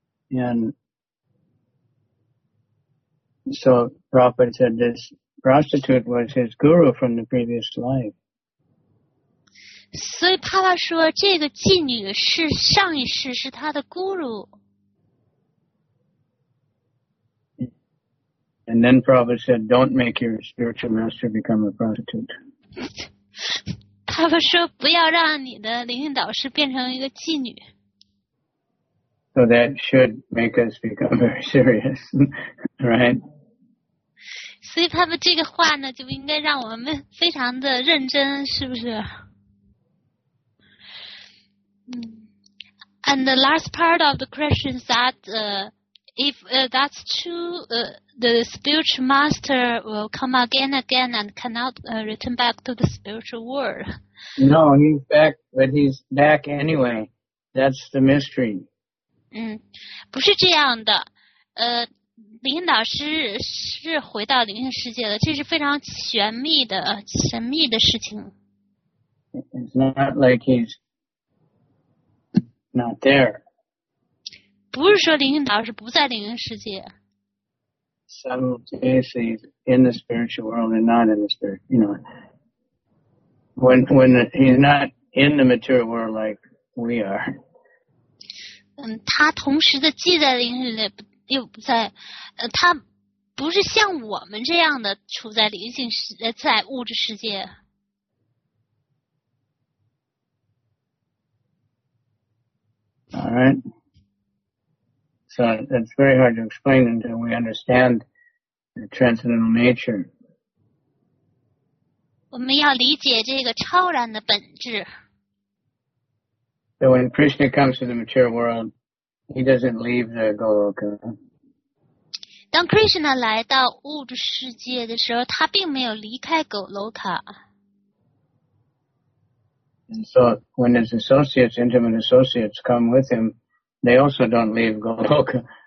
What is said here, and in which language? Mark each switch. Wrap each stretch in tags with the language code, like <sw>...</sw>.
<en>And so Prabhupada said this prostitute was his guru from the previous life.</en> <zh>所以帕帕说这个妓女是上一世是他的 guru.</zh> <en>And then Prabhupada said, don't make your spiritual master become a prostitute.</en> <zh>帕帕说不要让你的灵性导师变成一个妓女。</zh> <en>So that should make us become very serious, right?</en> <zh>所以帕帕这个话呢就应该让我们非常的认真，是不是？</zh> <en>And the last part of the question is that if that's true, the spiritual master will come again and again and cannot return back to the spiritual world. No, he's back, but he's back anyway. That's the mystery.</en> <zh>不是这样的。灵性导师是回到灵性世界的，这是非常玄秘的、神秘的事情。</zh> <en>It's not like he's not there.</en> <zh>不是说灵性导师不在灵性世界。</zh> <en>Simultaneously in the spiritual world and not in the spirit, you know. When he's not in the material world like we are.</en> <zh>他同时的既在灵性世界。又不在，他不是像我们这样的处在灵性世界，在物质世界。</zh> <en>All right. So that's very hard to explain until we understand the transcendental nature.</en> <zh>我们要理解这个超然的本质。</zh> <en>So when Krishna comes to the material world, he doesn't leave the Goloka.</en> <zh>当 Krishna 来到物质世界的时候，他并没有离开狗楼卡。</zh> <en>And so when his associates, intimate associates, come with him, they also don't leave Goloka.</en>